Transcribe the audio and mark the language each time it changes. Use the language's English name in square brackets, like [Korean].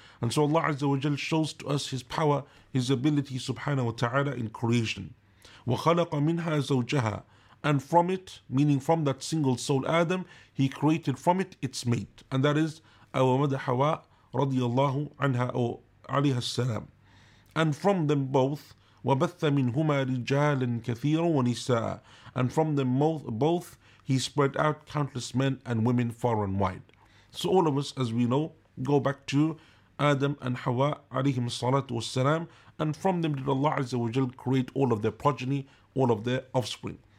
[English] And so Allah Azza wa Jal shows to us his power, his ability subhanahu wa ta'ala in creation. [Arabic] وَخَلَقَ مِنْهَا زَوْجَهَا. [English] And from it, meaning from that single soul Adam, he created from it its mate. And that is our mother Hawa radiallahu anha alayhi salam. And from them both, [Arabic] وَبَثَّ مِنْهُمَا رِجَالٍ كَثِيرًا وَنِسَاءً. [English] And from them both, he spread out countless men and women far and wide. So all of us, as we know, go back to Adam and Hawa alayhim salatu wassalam, and from them did Allah Azza wa Jal create all of their progeny, all of their offspring.